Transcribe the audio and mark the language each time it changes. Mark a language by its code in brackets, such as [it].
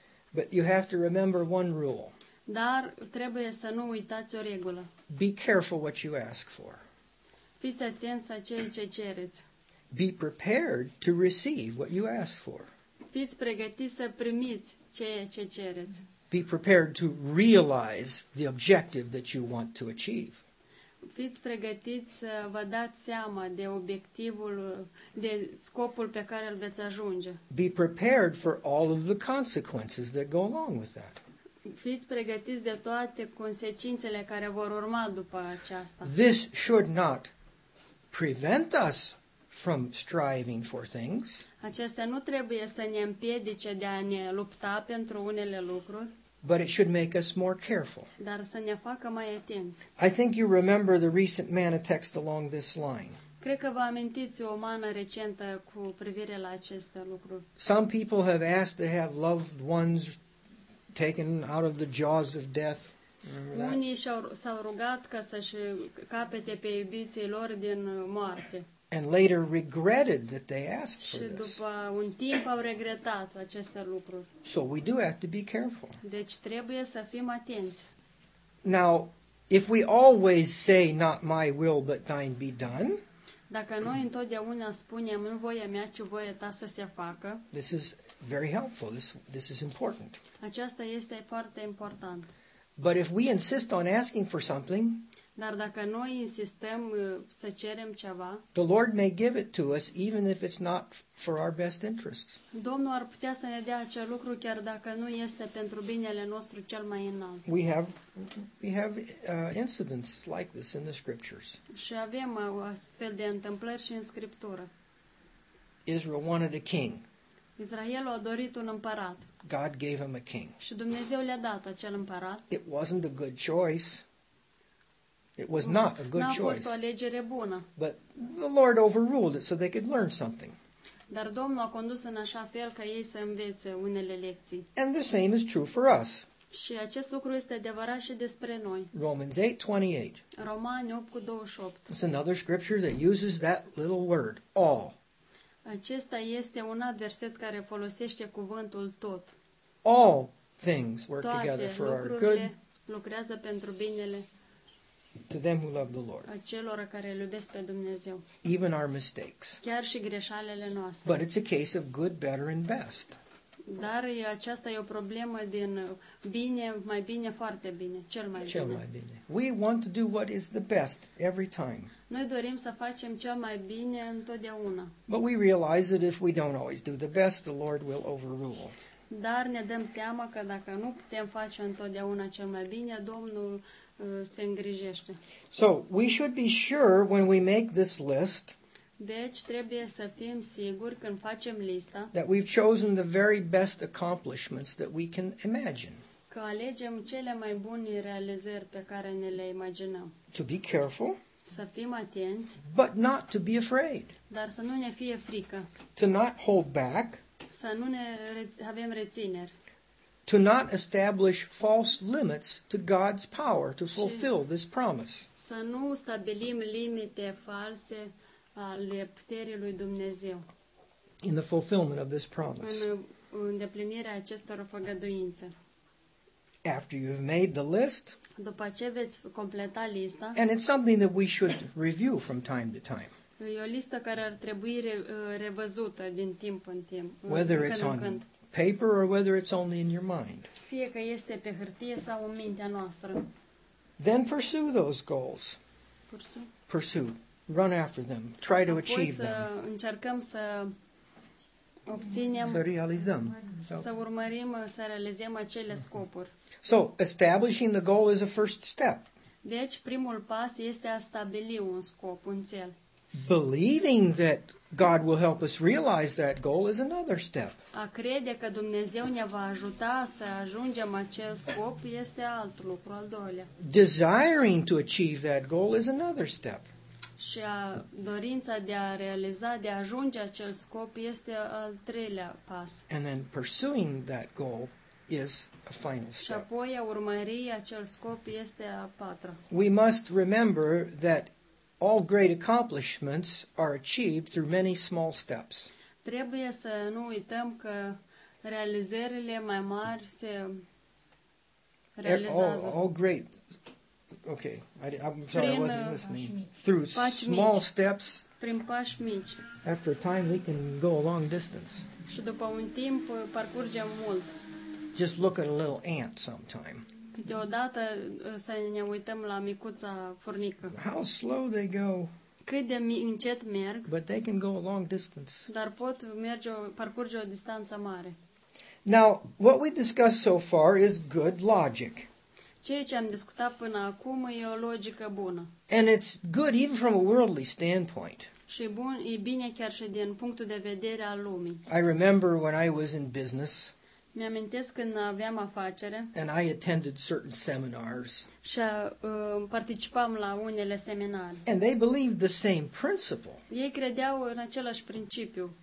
[en] But you have to remember one rule. [ro] Dar trebuie să nu uitați o regulă. [en] Be careful what you ask for. [ro] Fiți atenți la ceea ce cereți. [en] Be prepared to receive what you ask for. [ro] Fiți pregătiți să primiți ceea ce cereți. [en] Be prepared to realize the objective that you want to achieve. [ro] Fiți pregătiți să vă dați seama de obiectivul, de scopul pe care îl veți ajunge. [en] Be prepared for all of the consequences that go along with that. [ro] Fiți pregătiți de toate consecințele care vor urma după aceasta. [en] This should not prevent us from striving for things. [ro] Acestea nu trebuie să ne împiedice de a ne lupta pentru unele lucruri. [en] But it should make us more careful. [ro] Dar să ne facă mai atenți. [en] I think you remember the recent manna text along this line. [ro] Cred că vă amintiți o mană recentă cu privire la acest lucru. [en] Some people have asked to have loved ones taken out of the jaws of death. [ro] Unii s-au rugat ca să-și capete pe iubiții lor din moarte. [en] And later regretted that they asked for this. [ro] Și după un timp au regretat aceste lucruri. [en] So we do have to be careful. [ro] Deci trebuie să fim atenți. [en] Now, if we always say, not my will, but thine be done, [ro] dacă noi întotdeauna spunem, nu voia mea, ci voia ta să se facă, [en] this is very helpful. This is important. [ro] Aceasta este foarte important. [en] But if we insist on asking for something, [ro] dar dacă noi insistăm să cerem ceva, [en] the Lord may give it to us even if it's not for our best interests. [ro] Domnul ar putea să ne dea acel lucru chiar dacă nu este pentru binele nostru cel mai înalt. [en] We have incidents like this in the scriptures. [ro] Și avem astfel de întâmplări și în scriptură. [en] Israel wanted a king. [ro] Israelul a dorit un împărat. [en] God gave him a king. [ro] Și Dumnezeu le-a dat acel împărat. [en] It wasn't a good choice. It was not a good choice. [ro] N-a fost o alegere bună. [en] But the Lord overruled it so they could learn something. [ro] Dar Domnul a condus în așa fel ca ei să învețe unele lecții. [en] And the same is true for us. [ro] Și acest lucru este adevărat și despre noi. [en] Romans 8:28. [ro] Romani 8:28. [en] It's another scripture that uses that little word, all. [ro] Acesta este un alt verset care folosește cuvântul tot. [en] All things work [ro] toate [en] together for our good. [ro] Lucrează pentru binele. [en] To them who love the Lord. [ro] Acelora care îl iubesc pe Dumnezeu. [en] Even our mistakes. [ro] Chiar și greșelile noastre. [en] But it's a case of good, better and best. [ro] Dar aceasta e o problemă din bine, mai bine, foarte bine, cel mai bine. Cel mai bine. [en] We want to do what is the best every time. [ro] Noi dorim să facem cel mai bine întotdeauna. [en] But we realize that if we don't always do the best, the Lord will overrule. [ro] Dar ne dăm seama că dacă nu putem face întotdeauna cel mai bine, Domnul se îngrijește. [en] So, we should be sure when we make this list. [ro] Deci trebuie să fim siguri când facem lista. [en] That we've chosen the very best accomplishments that we can imagine. [ro] Că alegem cele mai bune realizări pe care ne le imaginăm. [en] To be careful. [ro] Să fim atenți. [en] But not to be afraid. [ro] Dar să nu ne fie frică. [en] To not hold back. [ro] Să nu ne avem rețineri. [en] To not establish false limits to God's power to fulfill this promise. [ro] Să nu stabilim limite false ale puterii lui Dumnezeu. [en] In the fulfillment of this promise. [ro] În îndeplinirea acestor făgăduințe. [en] After you've made the list. [ro] După ce veți completa lista. [en] And it's something that we should review from time to time. [ro] E o listă care ar trebui revăzută din timp în timp. [en] Whether it's on paper or whether it's only in your mind. [ro] Fie că este pe hârtie sau în mintea noastră. [en] Then pursue those goals. Pursue. Run after them. Try to achieve them. [ro] Apoi să încercăm să obținem, să realizăm. Să urmărim, să realizăm acele scopuri. [en] So, establishing the goal is a first step. [ro] Deci, primul pas este a stabili un scop, un țel. [en] Believing that God will help us realize that goal is another step. [ro] A crede că Dumnezeu ne va ajuta să ajungem acel scop este alt lucru, al doilea. [en] Desiring to achieve that goal is another step. [ro] Și dorința de a realiza, de a ajunge acel scop este al treilea pas. [en] And then pursuing that goal is a final step. [ro] Și apoi a urmări acel scop este a patra. [en] We must remember that all great accomplishments are achieved through many small steps. [ro] Trebuie să nu uităm că realizările mai mari se realizează. [en] I'm sorry, I wasn't listening. Through small steps. [ro] Prin pași mici. [en] After a time we can go a long distance. [ro] Și după un timp parcurgem mult. [en] Just look at a little ant sometime. [ro] Câteodată să ne uităm la micuța furnică. [en] How slow they go. [ro] Cât de încet merg. [en] But they can go a long distance. [ro] Dar pot merge, parcurge o distanță mare. [en] Now, what we discussed so far is good logic. [ro] Ceea ce am discutat până acum e o logică bună. [en] And it's good even from a worldly standpoint. [ro] Și bun, e bine chiar și din punctul de vedere al lumii. [en] I remember when I was in business. [ro] Mi-amintesc când aveam afacere. [en] And I attended certain seminars. [ro] Și participam la unele seminarii. [en] And they believed the same principle. [ro] Ei credeau în același principiu.